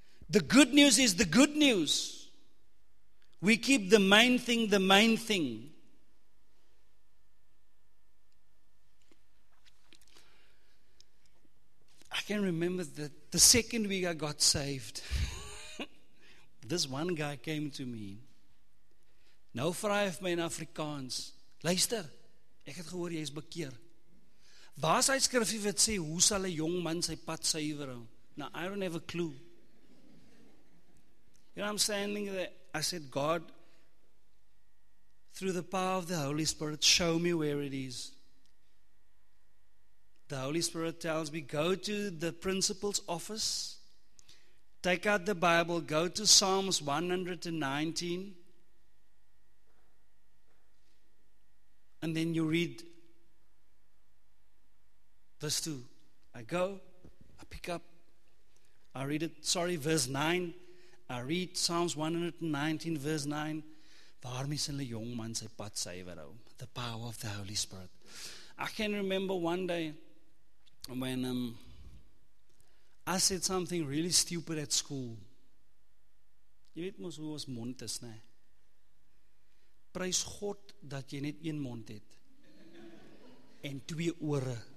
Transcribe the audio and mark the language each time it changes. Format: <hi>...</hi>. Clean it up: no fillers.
<en>The good news is the good news. We keep the main thing the main thing. I can remember that the second week I got saved, this one guy came to me.</en> <af>Nou vraag hy my in Afrikaans. Luister, ek het gehoor jy is bekeer. Waar is hy skrifie wat sê, hoe sal 'n jong man sy pad suiwer?</af> <en>Now, I don't have a clue. You know, I'm standing there. I said, God, through the power of the Holy Spirit, show me where it is. The Holy Spirit tells me, go to the principal's office, take out the Bible, go to Psalms 119, and then you read verse 2. I go, I pick up, I read it, sorry, verse 9. I read Psalms 119, verse 9. The power of the Holy Spirit. I can remember one day when I said something really stupid at school.</en> <af>Jy weet mos hoe ons mond is, né? Prys God dat jy net een mond het en twee ore.</af>